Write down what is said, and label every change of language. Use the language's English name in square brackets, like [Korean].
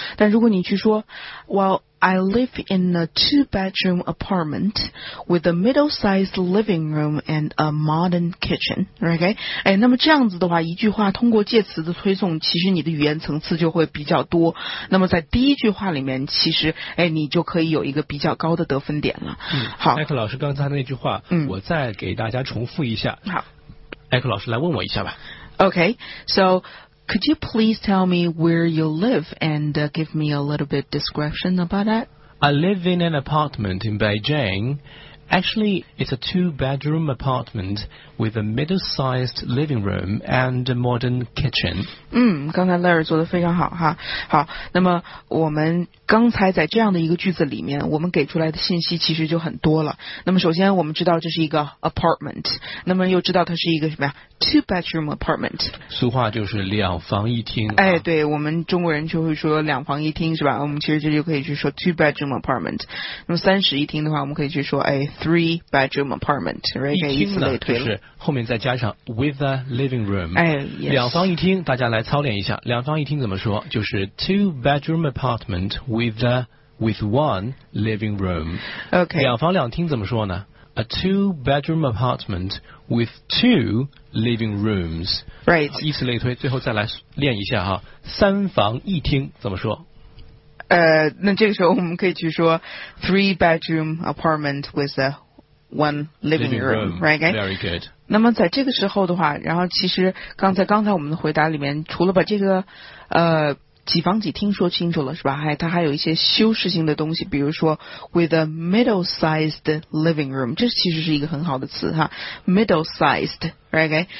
[Chinese] 但如果你去说 ， [English] Well， I live in a two-bedroom apartment with a middle-sized living room and a modern kitchen， [Chinese] OK， 哎，那么这样子的话，一句话通过介词的推送，其实你的语言层次就会比较多。那么在第一句话里面，其实哎，你就可以有一个比较高的得分点了。嗯，好，艾克老师刚才的那句话，嗯，我再给大家重复一下。好，艾克老师来问我一下吧。 [English] Okay, so could you please tell me where you live and give me a little bit description about that? I live in an apartment in Beijing. Actually, it's a two-bedroom apartment with a middle-sized living room and a modern kitchen. [Chinese] 嗯，刚才 Larry 做得非常好哈。好，那么我们刚才在这样的一个句子里面，我们给出来的信息其实就很多了。那么首先我们知道这是一个 apartment， 那么又知道它是一个什么呀？ [English] two-bedroom apartment， [Chinese] 俗话就是两房一厅、啊、哎，对，我们中国人就会说两房一厅是吧，我们其实这就可以去说 two-bedroom apartment。那么三室一厅的话，我们可以去说哎 three-bedroom apartment，一厅呢以此类推了，就是后面再加上 [English] with a living room，哎、yes、 [Chinese] 两房一厅，大家来操练一下，两房一厅怎么说，就是 [English] two-bedroom apartment with one living room。 OK， [Chinese] 两房两厅怎么说呢？ [English] A two-bedroom apartment with two living rooms. Right. [Chinese] 以此类推，最后再来练一下哈。三房一厅怎么说？那这个时候我们可以去说 [English] three-bedroom apartment with a one living room. Right. Very good. [Chinese] 那么在这个时候的话，然后其实刚才我们的回答里面，除了把这个几房几厅说清楚了是吧，还它还有一些修饰性的东西，比如说 [English] with a middle-sized living room， [Chinese] 这其实是一个很好的词哈， middle-sized， right？